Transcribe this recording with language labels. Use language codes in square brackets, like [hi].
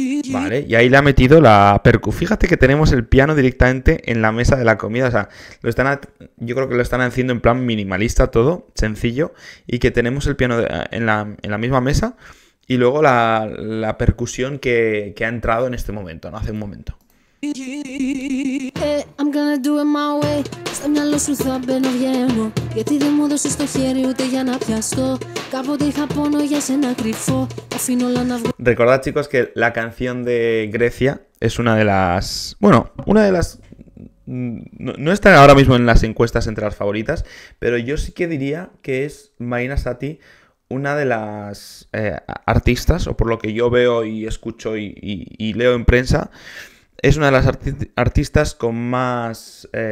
[es] Vale, y ahí le ha metido la percu. Fíjate que tenemos el piano directamente en la mesa de la comida. O sea, yo creo que lo están haciendo en plan minimalista todo, sencillo. Y que tenemos el piano en la misma mesa. Y luego la percusión que ha entrado en este momento, ¿no? Hace un momento. [en] I'm gonna do it my way. [el] Στο μυαλό σου θα μπαίνω, βγαίνω. Γιατί δεν μου δώσεις το χέρι ούτε για να πιαστώ. Κάποτε είχα πόνο για σένα κρυφό. Αφήνω όλα να βγω. [es] Recordad, chicos, que la canción de Grecia es una de las. Bueno, una de las. No está ahora mismo en las encuestas entre las favoritas, pero yo sí que diría que es Maina Sati una de las artistas, o por lo que yo veo y escucho y leo en prensa, es una de las artistas con más.